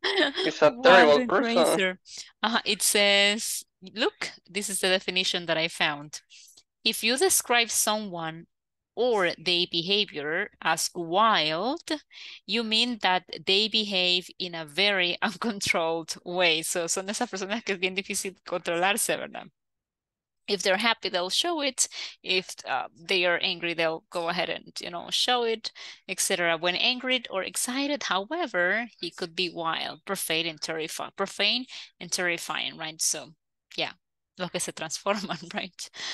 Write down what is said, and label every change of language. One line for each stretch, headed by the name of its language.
English: It's a terrible person. It says, look, this is the definition that I found. If you describe someone or their behavior as wild, you mean that they behave in a very uncontrolled way.
Spanish: So son esas personas que es bien difícil controlarse, ¿verdad?
English: If they're happy, they'll show it. If they are angry, they'll go ahead and, you know, show it, etc. When angry or excited, however, he could be wild, profane, and terrifying. Profane and terrifying, right? So, yeah,
Spanish: lo que se transforman,
English: right?